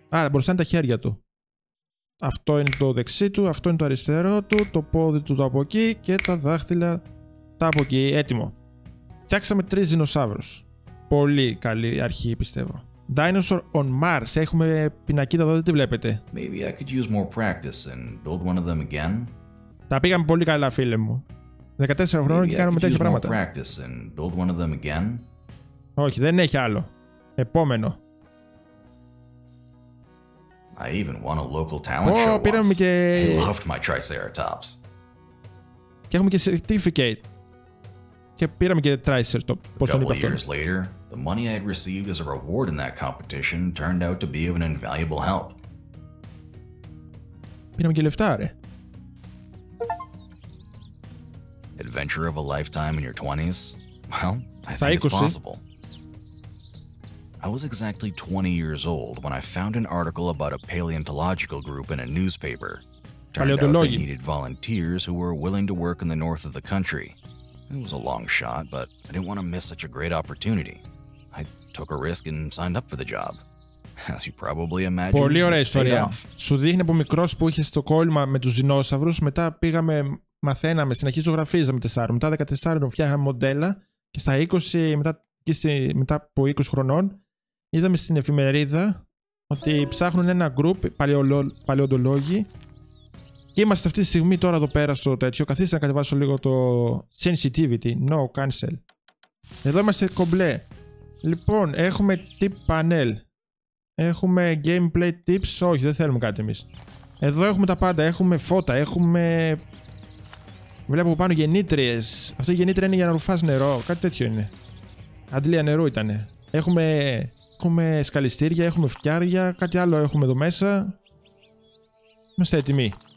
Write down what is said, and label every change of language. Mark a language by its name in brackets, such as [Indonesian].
[Greek] Μπροστά είναι τα χέρια του. Αυτό είναι το δεξί του. Αυτό είναι το αριστερό του. Το πόδι του το από εκεί. Και τα δάχτυλα τα από εκεί. Έτοιμο. Φτιάξαμε τρεις δεινοσαύρους. Πολύ καλή αρχή πιστεύω. [English] Dinosaur on Mars. [Greek] Έχουμε πινακίδα εδώ, δεν τη βλέπετε. [English] Maybe I could use more practice and build one of them again. [Greek] Τα πήγαμε πολύ καλά, φίλε μου. 14 χρόνια και κάνουμε τέτοια πράγματα. [English] Practice and build one of them again. [Greek] Όχι, δεν έχει άλλο. Επόμενο. [English] I even won a local talent show. [Greek] Πήραμε [English] once. [Greek] Και... [English] They loved my Triceratops. [Greek] Και έχουμε και certificate. Και πήραμε και Triceratops. Πώς τον είπε αυτό. [English] Years later, the money I had received as a reward in that competition turned out to be of an invaluable help. [Greek] Πήραμε και λεφτά, ρε. [English] Adventure of a lifetime in your 20s? Well, I think it's possible. I was exactly 20 years old when I found an article about a paleontological group in a newspaper. Turned out they needed volunteers who were willing to work in the north of the country. It was a long shot, but I didn't want to miss such a great opportunity. I took a risk and signed up for the job. As you probably imagine, [Greek] πολύ ωραία ιστορία. Σου δείχνει από μικρός που είχες το κόλλημα με τους δεινόσαυρους. Μετά πήγαμε, μαθαίναμε, συνεχίζω γραφίζαμε 4. Μετά 14 φτιάχναμε μοντέλα και στα 20, μετά από 20 χρονών, είδαμε στην εφημερίδα ότι ψάχνουν ένα group παλαιοντολόγοι. Και είμαστε αυτή τη στιγμή τώρα εδώ πέρα στο τέτοιο. Καθίστε να κατεβάσω λίγο το sensitivity. [English] No, cancel. [Greek] Εδώ είμαστε κομπλέ. Λοιπόν, έχουμε tip panel. Έχουμε gameplay tips. Όχι, δεν θέλουμε κάτι εμείς. Εδώ έχουμε τα πάντα. Έχουμε φώτα. Έχουμε. Βλέπω από πάνω γεννήτριες. Αυτή η γεννήτρια είναι για να ρουφάς νερό. Κάτι τέτοιο είναι. Αντλία νερού ήταν. Έχουμε σκαλιστήρια. Έχουμε φτιάρια. Κάτι άλλο έχουμε εδώ μέσα. Είμαστε έτοιμοι.